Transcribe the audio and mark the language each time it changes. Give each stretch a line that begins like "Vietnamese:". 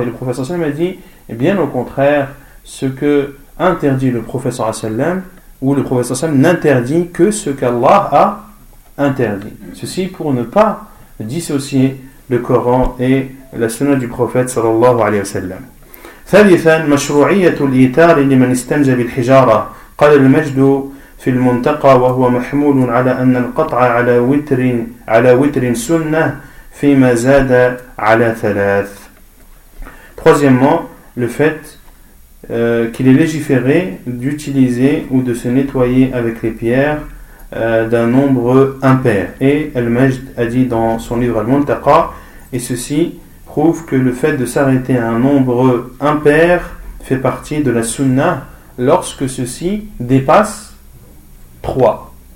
French: Et le prophète sallallahu alayhi wa sallam a dit, bien au contraire, ce que interdit le prophète sallallahu alayhi wa sallam, ou le prophète sallallahu alayhi wa sallam n'interdit que ce qu'Allah a interdit. Ceci pour ne pas dissocier le Coran et la sunna du prophète sallallahu alayhi wa sallam.
Arabic: Thalithan, mashru'iyyatu al-itar liman istanja bil hijara. Qala al-Majdu في المنتقى وهو محمول على أن القطع على وتر على وتر سنة فيما زاد على ثلاث.
French: Troisièmement, le fait qu'il est légiféré d'utiliser ou de se nettoyer avec les pierres d'un nombre impair. Et Al-Majd a dit dans son livre Al-Muntaqa, et ceci prouve que le fait de s'arrêter à un nombre impair fait partie de la sunna lorsque ceci dépasse 3.